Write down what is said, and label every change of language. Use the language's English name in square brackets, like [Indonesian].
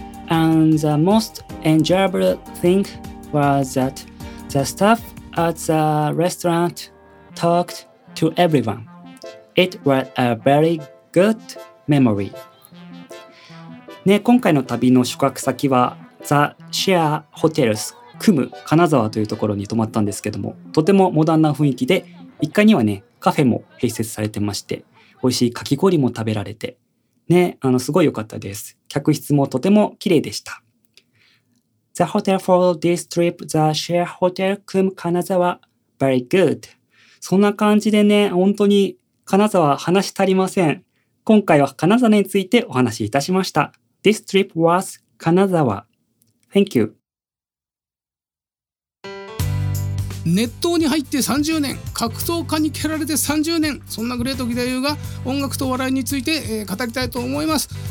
[English] And the most enjoyable thing was that the staff at the restaurant talked to everyone. It was a very good memory. [Japanese] ね、今回の旅の宿泊先はザ・シェア・ホテルス・クム金沢というところに泊まったんですけども、とてもモダンな雰囲気で1階にはねカフェも併設されてまして、美味しいかき氷も食べられてね、すごい良かったです。客室もとても綺麗でした。 [English] The hotel for this trip, the Share Hotel Kum Kanazawa, very good. [Japanese] そんな感じでね、本当に金沢話し足りません。今回は金沢についてお話しいたしました。 [English] This trip was 金沢。 Thank you。 [Japanese] 熱湯に入って30年、格闘家に蹴られて30年、そんなグレート義太夫が音楽と笑いについて、語りたいと思います。